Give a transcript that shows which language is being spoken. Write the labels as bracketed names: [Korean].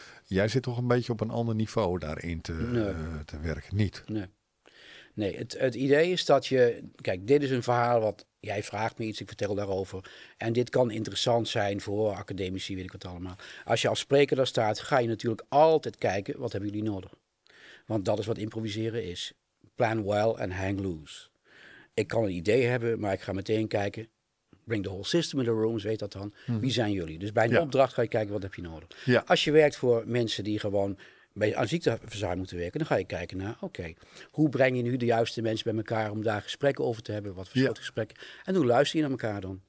[Dutch] Jij zit toch een beetje op een ander niveau daarin te werken, niet? Nee, het idee is dat je, kijk, dit is een verhaal wat jij vraagt me iets, ik vertel daarover. En dit kan interessant zijn voor academici, weet ik wat allemaal. Als je als spreker daar staat, ga je natuurlijk altijd kijken, wat hebben jullie nodig? Want dat is wat improviseren is. [English] Plan well and hang loose. [Dutch] Ik kan een idee hebben, maar ik ga meteen kijken. [English] Bring the whole system in the room, [Dutch] weet dat dan. Hmm. Wie zijn jullie? Dus bij een opdracht ga je kijken, wat heb je nodig? Ja. Als je werkt voor mensen die gewoon bij aan ziekteverzuim moeten werken, dan ga je kijken naar, oké, hoe breng je nu de juiste mensen bij elkaar om daar gesprekken over te hebben, wat voor soort gesprekken, en hoe luister je naar elkaar dan?